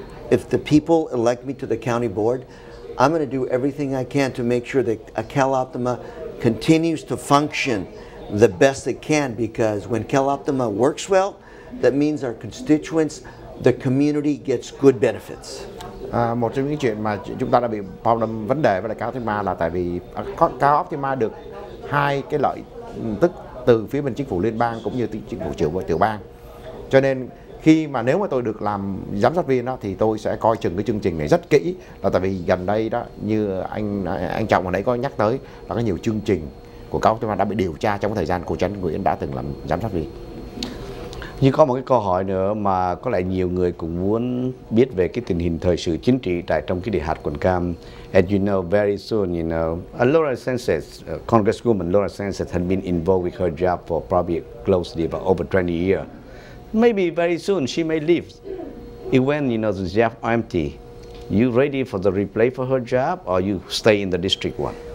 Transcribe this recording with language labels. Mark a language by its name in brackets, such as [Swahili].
[English] If the people elect me to the county board, I'm going to do everything I can to make sure that a Cal Optima continues to function the best it can, because when Cal Optima works well, that means our constituents, the community gets good benefits. [Vietnamese] Một trong những chuyện mà chúng ta đã bị problem vấn đề với lại Cal Optima là tại vì Cal Optima được hai cái lợi tức từ phía bên chính phủ liên bang cũng như chính phủ trưởng và tiểu bang. Cho nên khi mà nếu mà tôi được làm giám sát viên đó thì tôi sẽ coi chừng cái chương trình này rất kỹ, là tại vì gần đây đó như anh Trọng hồi nãy có nhắc tới là có nhiều chương trình của Cal Optima đã bị điều tra trong thời gian cô Trần Nguyễn đã từng làm giám sát viên. Nhưng có một cái câu hỏi nữa mà có lẽ nhiều người cũng muốn biết về cái tình hình thời sự chính trị tại trong cái địa hạt quận Cam. [English] As you know, very soon, you know, Laura Sanchez, Congresswoman Laura Sanchez had been involved with her job for probably closely about over 20 years. Maybe very soon she may leave. If when, you know, the job empty, you ready for the replay for her job or you stay in the district one?